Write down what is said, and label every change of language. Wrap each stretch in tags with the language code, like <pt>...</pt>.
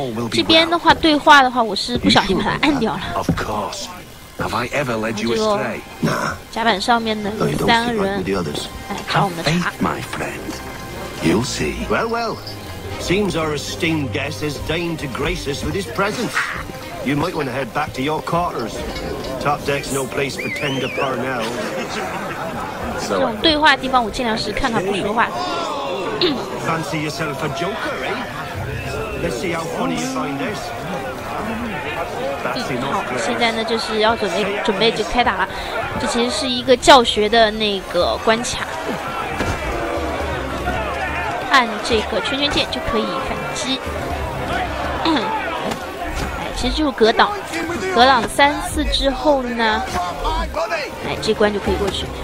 <zh>这边的话，对话的话，我是不小心把它按掉了。</zh> <en>Of course, have I ever led you astray? Nah.</en> <zh>甲板上面的三个人，哎，找我们的茶。</zh> <en>My friend, you'll see. Well, well, seems our esteemed guest has deigned to grace us with his presence. You might want to head back to your quarters. Top deck's no place for tender Parnell.</en> <zh>这种对话的地方，我尽量是看他不说话。</zh> <en>Fancy yourself a joker, eh?</en> <zh>好，现在呢就是要准备就开打了。这其实是一个教学的那个关卡，按这个圈圈键就可以反击。哎，其实就是格挡三次之后呢，哎，这关就可以过去。</zh>